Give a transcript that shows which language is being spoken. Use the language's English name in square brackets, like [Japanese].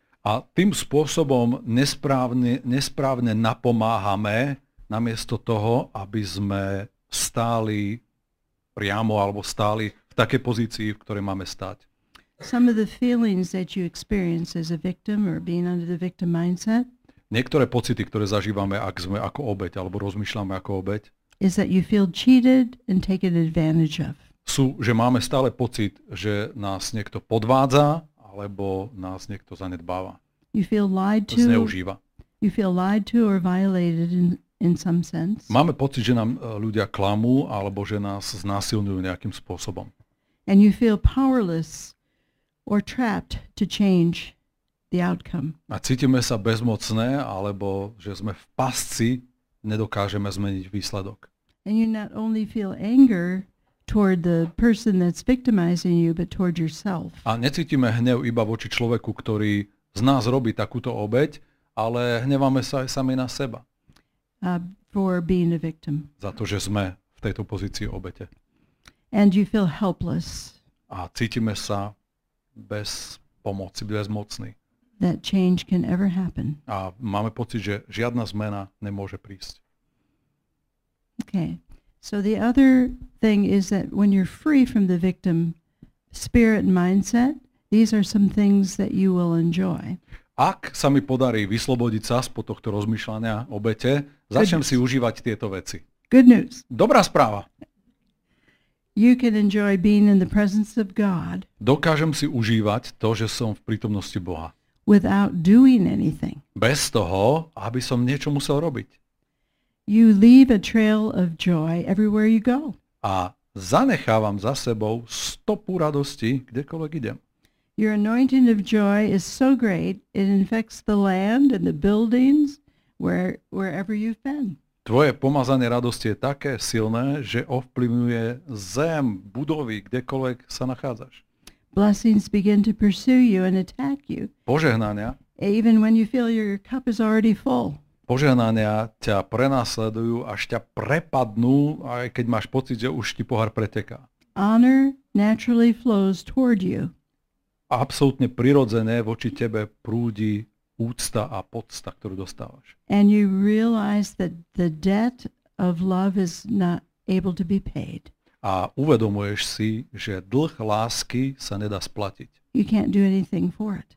[Slovak] A tým spôsobom nesprávne napomáhame namiesto toho, aby sme stáli priamo alebo stáli v takej pozícii, v ktorej máme stáť. [English] Some of the feelings that you experience as a victim or being under the victim mindset. [Slovak] Niektoré pocity, ktoré zažívame, ak sme ako obeť alebo rozmýšľame ako obeť. [English] Is that you feel cheated and taken advantage of. [Slovak] Sú, že máme stále pocit, že nás niekto podvádza alebo nás niekto zanedbáva. [English] You feel lied to. [Slovak] Zneužíva. [English] You feel lied to or violated in some sense. [Slovak] Máme pocit, že nám ľudia klamú alebo že nás znásilňujú nejakým spôsobom. [English] And you feel powerless or trapped to change the outcome. [Slovak] A cítime sa bezmocné alebo že sme v pasci, nedokážeme zmeniť výsledok. [English] And you not only feel anger toward the person that's victimizing you, but toward yourself. [Slovak] A necítime hnev iba voči človeku, ktorý z nás robí takúto obeť, ale hneváme sa aj sami na seba. [English] For being a victim. [Slovak] Za to, že sme v tejto pozícii obete. [English] And you feel helpless. [Slovak] A cítime sa bez pomoci, bezmocný. [English] that change can ever happen. [Slovak] A máme pocit, že žiadna zmena nemôže prísť. [English] Okay. So the other thing is that when you're free from the victim spirit and mindset, these are some things that you will enjoy. [Slovak] Ak sa mi podarí vyslobodiť sa spod tohto rozmýšľania obete, začnem si užívať tieto veci. [English] Good news. [Slovak] Dobrá správa. [English] You can enjoy being in the presence of God. [Slovak] Dokážem si užívať to, že som v prítomnosti Boha. [English] Without doing anything. [Slovak] Bez toho, aby som niečo musel robiť. [English] You leave a trail of joy everywhere you go. [Slovak] A zanechávam za sebou stopu radosti, kdekoľvek idem. [English] Your anointing of joy is so great, it infects the land and the buildings wherever you've been. [Slovak] Tvoje pomazanie radosti je také silné, že ovplyvňuje zem, budovy, kdekoľvek sa nachádzaš. [English] Blessings begin to pursue you and attack you. [Slovak] Požehnania. [English] Even when you feel your cup is already full. [Slovak] Požehnania ťa prenasledujú, až ťa prepadnú, aj keď máš pocit, že už ti pohár preteká. [English] Honor naturally flows toward you. [Slovak] Absolútne prirodzené voči tebe prúdi úcta a podsta, ktorú dostávaš. [English] And you realize that the debt of love is not able to be paid. [Slovak] A uvedomuješ si, že dlh lásky sa nedá splatiť. [English] You can't do anything for it.